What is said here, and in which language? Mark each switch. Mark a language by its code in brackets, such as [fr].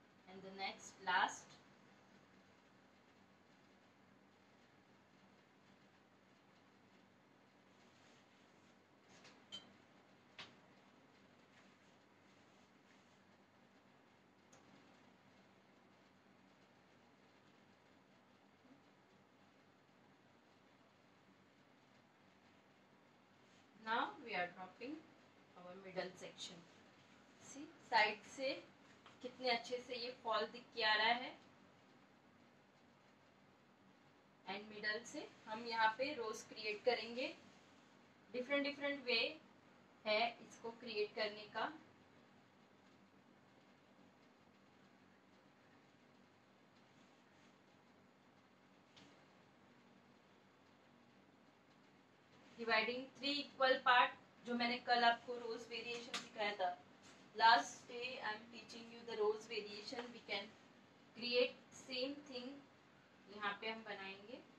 [en] And the next last now we are dropping our middle section. [hi] See side se कितने अच्छे से ये fall दिख के आ रहा है एंड मिडल से हम यहाँ पे रोज क्रिएट करेंगे. डिफरेंट डिफरेंट वे है इसको क्रिएट करने का. [en] dividing 3 equal parts [hi] जो मैंने कल आपको रोज वेरिएशन सिखाया था. [en] Last day I am teaching you the rose variation. We can create same thing. [hi] यहाँ पे हम बनाएंगे.